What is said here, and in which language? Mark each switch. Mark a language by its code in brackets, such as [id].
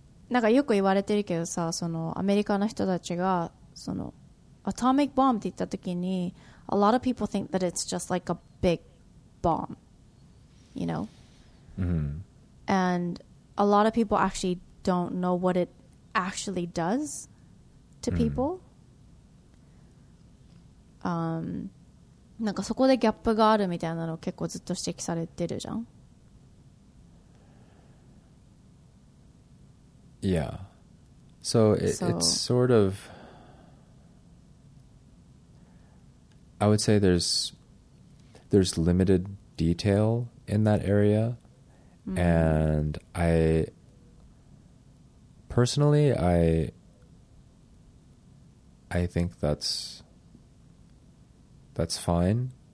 [ja] なんかよく言われてるけどさ、そのアメリカの人たちがそのアトミックボムって言ったときに、 [en] a lot of people think that it's just like a big bomb, you know,、 mm-hmm. and a lot of people actually don't know what it actually does to people.、Mm-hmm. [ja] なんかそこでギャップがあるみたいなのを結構ずっと指摘されてるじゃん。 [en] Yeah. So, it's sort of, I would say there's limited detail in that area. Mm. And I personally think that's fine.